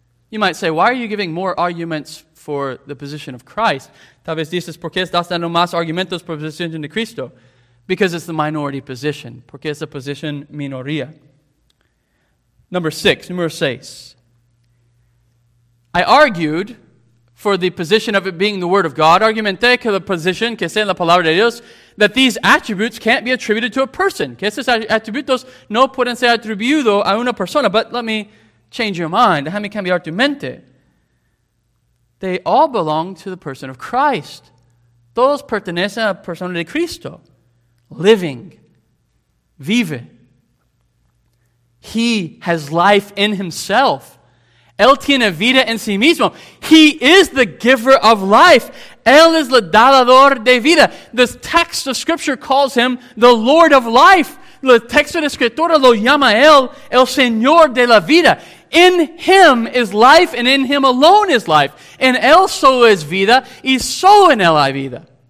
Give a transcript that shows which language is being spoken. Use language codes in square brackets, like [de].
[en] You might say, why are you giving more arguments for the position of Christ? [es] Tal vez dices, ¿por qué estás dando más argumentos por la posición de Cristo? [en] Because it's the minority position. [es] Porque es la posición minoría. Número seis. [en] I argued for the position of it being the Word of God. [es] Argumenté que la posición que sea en la Palabra de Dios, [en] that these attributes can't be attributed to a person. [es] Que estos atributos no pueden ser atribuidos a una persona. [en] But let me change your mind. How many can be argumented? They all belong to the person of Christ. [es] Todos pertenecen a la persona de Cristo. Living. Vive. [en] He has life in himself. [es] Él tiene vida en sí mismo. [en] He is the giver of life. [es] Él es el dador de vida. [en] The text of Scripture calls him the Lord of life. [es] El texto de Escritura lo llama él el Señor de la vida. [en] In him is life, and in him alone is life. [es] En él solo es vida, y solo en él hay vida.